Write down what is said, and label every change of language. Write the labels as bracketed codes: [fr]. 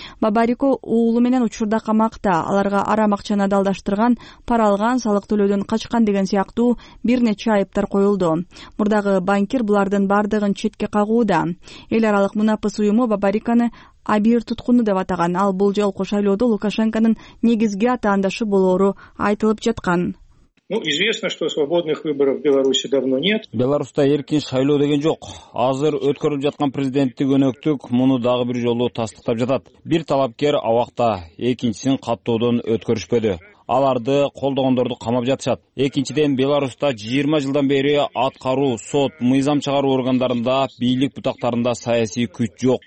[ky] Бабарико уулу менен учурда камакта, аларга арам акчаны далдаштырган, пара алган, салык төлөөдөн качкан деген сыяктуу бир нече айыптар коюлду. Мурдагы банкир булардын бардыгын четке кагууда. Эл аралык мунапыс уюму Бабариконы абийир туткуну деп атаган. Ал бул жолку шайлоодо Лукашенконун негизги атаандашы болоору айтылып жаткан. [ru] Известно, что свободных выборов в Беларуси давно нет. [ky] Беларусьта эркин шайлоо деген жок. Азыр өткөрүлүп жаткан президенттик өнөктүк муну дагы бир жолу тастыктап жатат. Бир талапкер абакта, экинчисин каттоодон өткөрүшпөдү. Аларды колдогондорду камап жатышат. Экинчиден, Беларусьта 20 жылдан бери аткаруу, сот, мыйзам чыгаруу органдарында, бийлик бутактарында саясий күч жок.